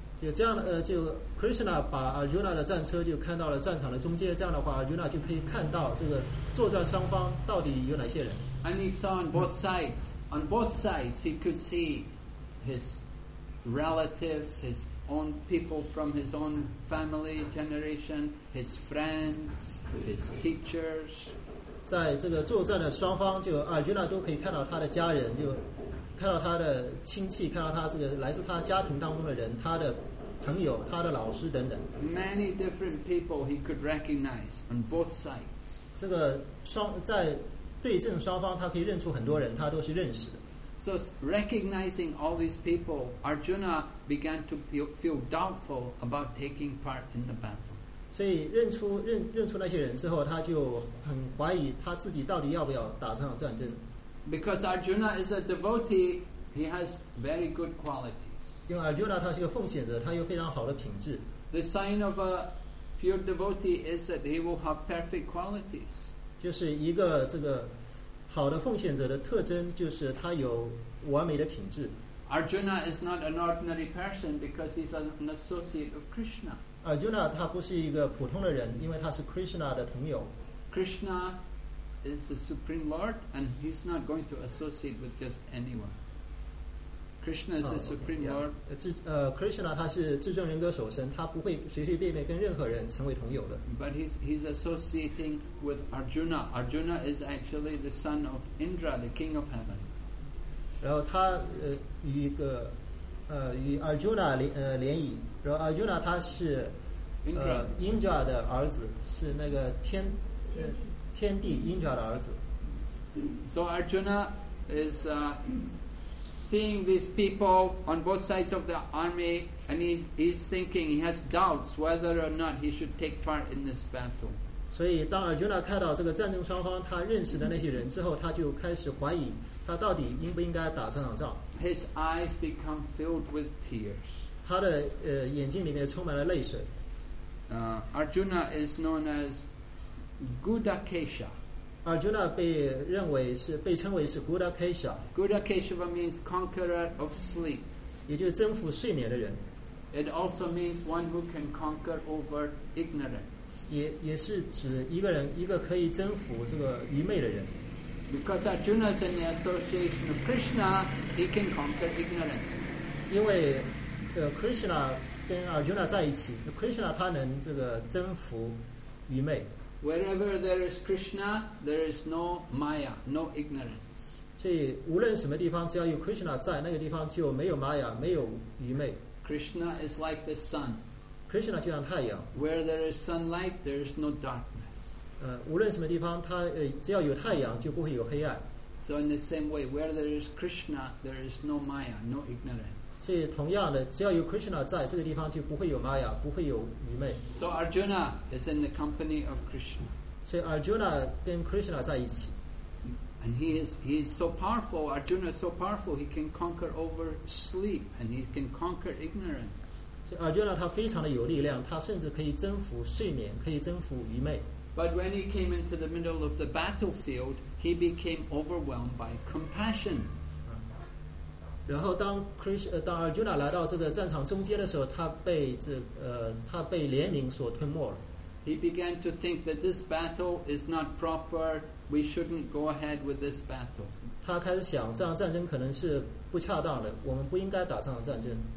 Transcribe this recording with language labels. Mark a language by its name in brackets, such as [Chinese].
[Chinese] 就这样就 Krishna 把 Arjuna 的战车就看到了战场的中间，这样的话 Arjuna 就可以看到这个作战双方到底有哪些人。 [English] And he saw on both sides, on both sides he could see his relatives, his own people from his own family generation, his friends, his teachers. [Chinese] 在这个作战的双方，就 Arjuna 都可以看到他的家人，就看到他的亲戚，看到他这个来自他家庭当中的人，他的朋友，他的老师等等。 [English] Many different people he could recognize on both sides. [Chinese] 这个在对阵双方，他可以认出很多人，他都是认识的。 [English] So recognizing all these people, Arjuna began to feel doubtful about taking part in the battle. [Chinese] 所以认出那些人之后，他就很怀疑他自己到底要不要打这场战争。 [English] Because Arjuna is a devotee, he has very good qualities. [Chinese] 因为 Arjuna 他是个奉献者，他有非常好的品质。 [English] The sign of a pure devotee is that he will have perfect qualities. [Chinese] 就是一个这个好的奉献者的特征，就是他有完美的品质。 [English] Arjuna is not an ordinary person because he's an associate of Krishna. [Chinese] Arjuna 他不是一个普通的人，因为他是 Krishna 的朋友。 [English] Krishna. Is the Supreme Lord, and he's not going to associate with just anyone. Krishna is the Supreme Lord. [Chinese] Krishna, 他是至尊人格所生，他不会随随便便跟任何人成为朋友的。 [English] But he's associating with Arjuna. Arjuna is actually the son of Indra, the king of heaven. [Chinese] 然后他与 Arjuna 联谊，然后 Arjuna 他是 Indra 的儿子，是那个天。天地英雄的儿子。 [English] So Arjuna is seeing these people on both sides of the army, and he's thinking, he has doubts whether or not he should take part in this battle. [Chinese] 所以当 Arjuna 看到这个战争双方他认识的那些人之后，他就开始怀疑他到底应不应该打这场仗。 [English] His eyes become filled with tears. [Chinese] 他的眼睛里面充满了泪水。 [English] Arjuna is known as Gudakesha. [Chinese] Arjuna 被称为是 Gudakesha. [English] Gudakesha means conqueror of sleep. [Chinese] 也就是征服睡眠的人。 [English] It also means one who can conquer over ignorance. [Chinese] 也是指一个可以征服这个愚昧的人。 [English] Because Arjuna is in the association of Krishna, he can conquer ignorance. [Chinese] 因为Krishna 跟 Arjuna 在一起， Krishna 他能这个征服愚昧。 [English] Wherever there is Krishna, there is no Maya, no ignorance. [Chinese] 所以无论什么地方，只要有 Krishna 在，那个地方就没有 Maya, 没有愚昧。 [English] Krishna is like the sun. [Chinese] Krishna 就像太阳。 [English] Where there is sunlight, there is no darkness. [Chinese] 无论什么地方，它只要有太阳，就不会有黑暗。 [English] So in the same way, where there is Krishna, there is no Maya, no ignorance. [Chinese] 所以同样的，只要有 Krishna 在这个地方，就不会有 Maya, 不会有愚昧。 [English] So Arjuna is in the company of Krishna. [Chinese] 所以 Arjuna 跟 Krishna 在一起。 [English] And he is so powerful. Arjuna is so powerful. He can conquer over sleep, and he can conquer ignorance. [Chinese] 所以 Arjuna 他非常的有力量，他甚至可以征服睡眠，可以征服愚昧。 [English] But when he came into the middle of the battlefield, he became overwhelmed by compassion. [Chinese] 然后当 Arjuna 来到这个战场中间的时候，他被怜悯所吞没了。 [English] He began to think that this battle is not proper. We shouldn't go ahead with this battle. [Chinese] 他开始想，这场战争可能是不恰当的，我们不应该打这场战争。